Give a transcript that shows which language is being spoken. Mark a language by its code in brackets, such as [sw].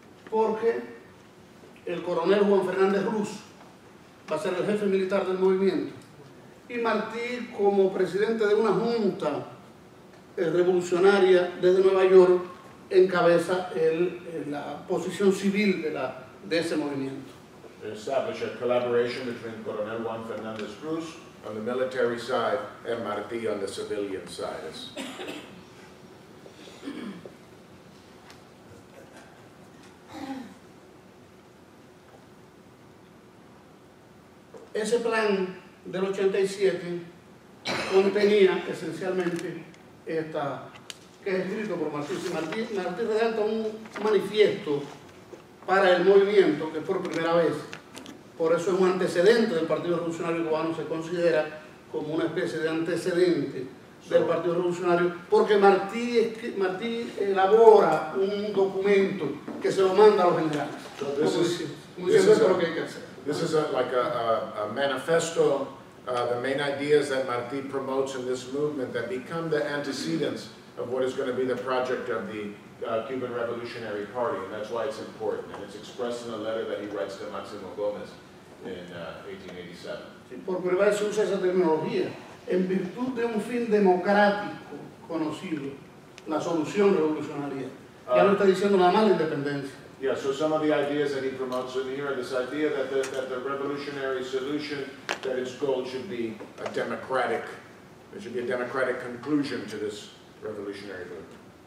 [es] Porque el coronel Juan Fernández Ruz va a ser el jefe militar del movimiento, y Martí como presidente de una junta revolucionaria desde Nueva York encabeza la posición civil de ese movimiento. [en] establish a collaboration between Coronel Juan Fernandez Cruz on the military side and Martí on the civilian side. [es] Ese plan del 87 contenía esencialmente esta, que es escrito por Martí. Martí redacta un manifiesto para el movimiento, que por primera vez, por eso es un antecedente del Partido Revolucionario Cubano, se considera como una especie de antecedente del Partido Revolucionario, porque Martí elabora un documento que se lo manda a los generales. [en] This is a manifesto, the main ideas that Martí promotes in this movement that become the antecedents of what is going to be the project of the Cuban Revolutionary Party, and that's why it's important. And it's expressed in a letter that he writes to Máximo Gómez in 1887. [es] Sí, por primera vez usa esa tecnología, en virtud de un fin democrático conocido, la solución revolucionaria. Ya no está diciendo nada más la independencia. [en] Yeah, so some of the ideas that he promotes in here are this idea that the revolutionary solution, that its goal should be a democratic, there should be a democratic conclusion to this revolutionary movement.